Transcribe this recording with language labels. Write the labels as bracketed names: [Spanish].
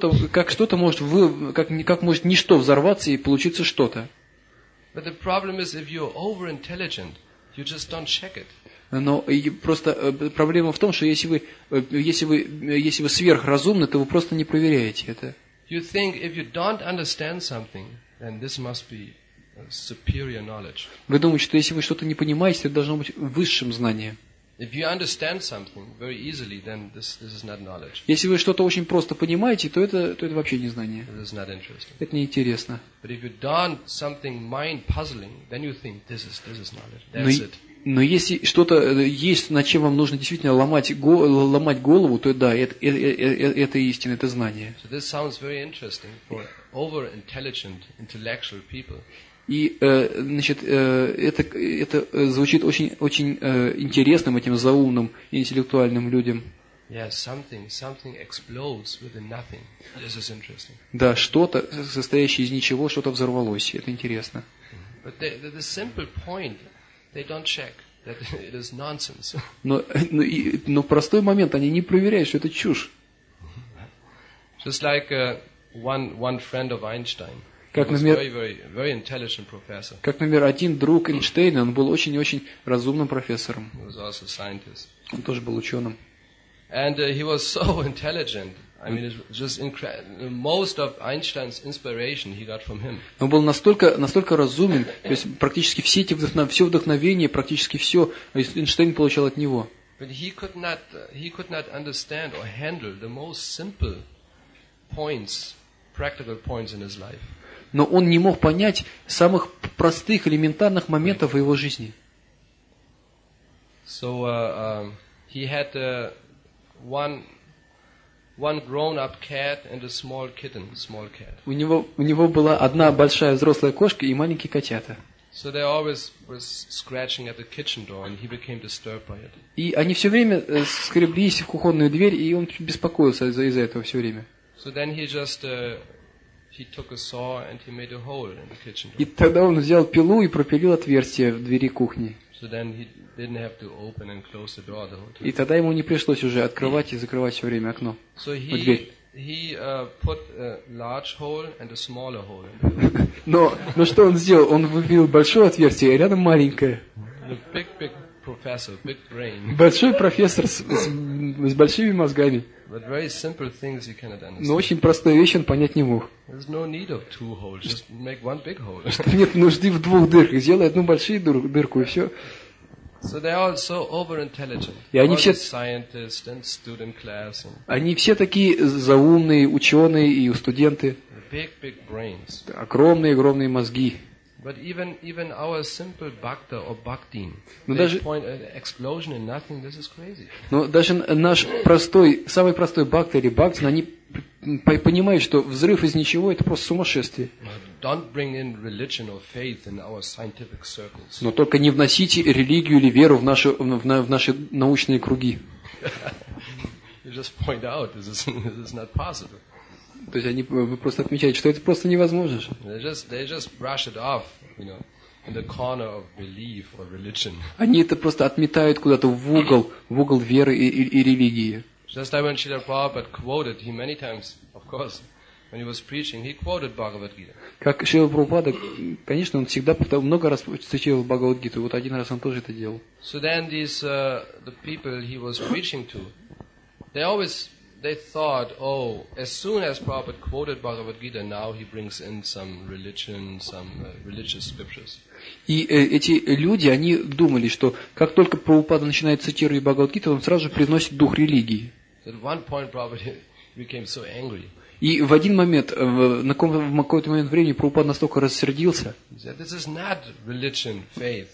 [Russian] Как может ничто взорваться и получиться что-то? [English] But the problem is, if you're over-intelligent, you just don't check it. [Russian] Но просто проблема в том, что если вы сверхразумны, то вы просто не проверяете это. [English] You think if you don't understand something, then this must be superior knowledge. [Russian] Вы думаете, что если вы что-то не понимаете, это должно быть высшим знанием? [English] If you understand something very easily, then this is not knowledge. [Russian] Если вы что-то очень просто понимаете, то это вообще не знание. [English] This is not interesting. [Russian] Это неинтересно. [English] But if you don't something mind puzzling, then you think this is knowledge. That's it. [Russian] Но если что-то есть, над чем вам нужно действительно ломать голову, то да, это истина, это знание. [English] So this sounds very interesting for over-intelligent intellectual people. [Russian] И, значит, это звучит очень интересным этим заумным интеллектуальным людям. [English] Yes, something explodes within nothing. This is interesting. [Russian] Да, что-то, состоящее из ничего, что-то взорвалось. Это интересно. [English] But the simple point, they don't check that it is nonsense. [Russian] Но простой момент, они не проверяют, что это чушь. [English] Just like one friend of Einstein. [Russian] Как, например, один друг Эйнштейна, он был очень-очень разумным профессором. Он тоже был ученым. [English] And he was so intelligent. I mean, it was just incredible. Most of Einstein's inspiration he got from him. [Russian] Он был настолько разумен, то есть практически все вдохновение, практически все Эйнштейн получал от него. [English] But he could not understand or handle the most simple points, practical points in his life. [Russian] Но он не мог понять самых простых, элементарных моментов в его жизни. [English] So, he had one grown-up cat and a small kitten, small cat. [Russian] У него была одна большая взрослая кошка и маленькие котята. [English] So they always was scratching at the kitchen door, and he became disturbed by it. [Russian] И они все время скреблись в кухонную дверь, и он беспокоился из-за этого все время. [English] So then he just he took a saw and he made a hole in the kitchen door. [Russian] И тогда он взял пилу и пропилил отверстие в двери кухни. [English] So then he didn't have to open and close the door the whole time. [Russian] И тогда ему не пришлось уже открывать и закрывать все время окно. [English] So he put a large hole and a smaller hole in the room. [Russian] Но что он сделал? Он выбил большое отверстие, а рядом маленькое. [English] The big professor, big brain. [Russian] Большой профессор с большими мозгами. [English] But very simple things you cannot understand. [Russian] Но очень простые вещи он понять не мог. [English] There's no need of two holes, just make one big hole. [Russian] Нет нужды в двух дырках, сделай одну большую дырку и все. [English] So they are so over-intelligent. [Russian] И они все [English] scientists and student class. [Russian] Они все такие заумные ученые и студенты. [English] Big brains. [Russian] Огромные мозги. [English] But even our simple bhakta or bhaktin, they point an explosion in nothing. This is crazy. [Russian] Но даже наш простой, самый простой бхакта или бхактин, они понимают, что взрыв из ничего это просто сумасшествие. [English] Don't bring in religion or faith in our scientific circles. [Russian] Но только не вносите религию или веру в наши научные круги. [English] You just point out this is not possible. [Russian] То есть они просто отмечают, что это просто невозможно. [English] They just brush it off, you know, in the corner of belief or religion. [Russian] Они это просто отметают куда-то в угол веры и религии. [English] Just like when Srila Prabhupada quoted, he many times, of course, when he was preaching, he quoted Bhagavad Gita. [Russian] Как Шрила Прабхупада, конечно, он всегда много раз цитировал Бхагавад Гиту. Вот один раз он тоже это делал. [English] So then these the people he was preaching to, they always they thought, oh, as soon as Prabhupada quoted Bhagavad Gita, now he brings in some religion, some religious scriptures. [Russian] И эти люди, они думали, что как только Прабхупада начинает цитировать Бхагавад Гиту, он сразу же приносит дух религии. [English] At one point, Prabhupada became so angry. [Russian] И в один момент, в какой-то момент времени, Прабхупада настолько рассердился. [English] He said, this is not religion, faith.